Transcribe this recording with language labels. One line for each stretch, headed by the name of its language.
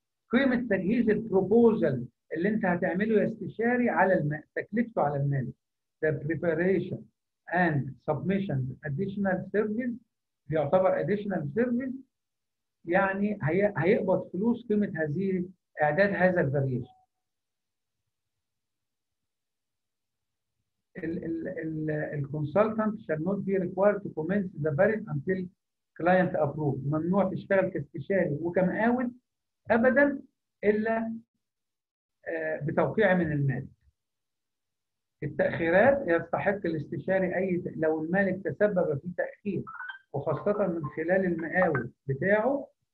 Arabic: قيمه تجهيز البروبوزال اللي انت هتعمله يا استشاري على تكلفته على المالك.
English: The preparation and submission additional service
Arabic: بيعتبر additional service يعني هيقبض فلوس قيمة هذه إعداد هذا الفاريشن.
English: ال consultant shall not be required to commence the variant until client approved.
Arabic: ممنوع تشتغل كاستشاري وكمقاول أبدا إلا بتوقيع من المالك. التأخيرات يستحق الاستشاري أي لو المالك تسبب في تأخير وخاصة من خلال المقاول بتاعه.